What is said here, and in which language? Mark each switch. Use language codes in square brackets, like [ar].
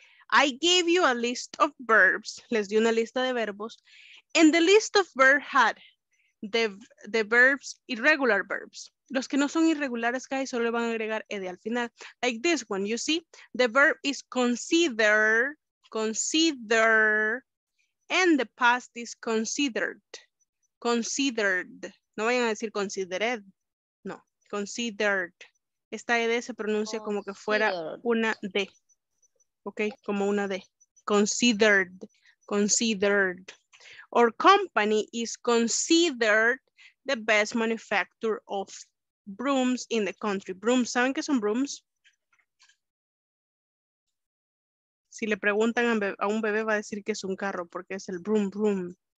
[en] I gave you a list of verbs, [es] les di una lista de verbos, [en] and the list of verbs had the verbs, irregular verbs. [es] Los que no son irregulares, guys, solo le van a agregar ed al final. [en] Like this one, you see, the verb is consider, consider, and the past is considered, considered. [es] No vayan a decir considered, no, considered. Esta ed se pronuncia como que fuera una d. Ok, como una D. Considered, considered. [en] Our company is considered the best manufacturer of brooms in the country. [es] Brooms, ¿saben qué son brooms? Si le preguntan a un bebé va a decir que es un carro porque es el broom, broom.